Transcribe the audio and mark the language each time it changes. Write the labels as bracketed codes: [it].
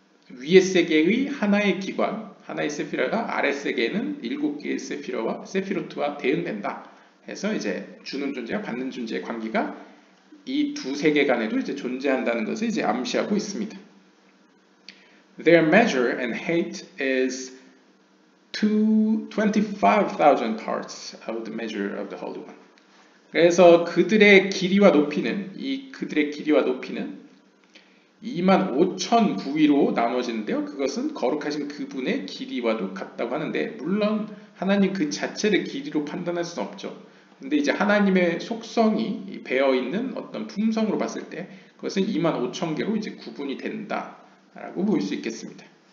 [ko] 위의 세계의 하나의 기관, 하나의 세피라가 아래 세계에는 일곱 개의 세피라와 세피로트와 대응된다. 해서 이제 주는 존재와 받는 존재의 관계가 이 두 세계 간에도 이제 존재한다는 것을 이제 암시하고 있습니다. [en] Their measure and height is 25,000 parts of the measure of the Holy One. [ko] 그래서 그들의 길이와 높이는 25,000 부위로 나눠지는데요. 그것은 거룩하신 그분의 길이와도 같다고 하는데, 물론 하나님 그 자체를 길이로 판단할 수는 없죠. 근데 이제 하나님의 속성이 배어 있는 어떤 품성으로 봤을 때 그것은 25,000개로 이제 구분이 된다라고 볼 수 있겠습니다.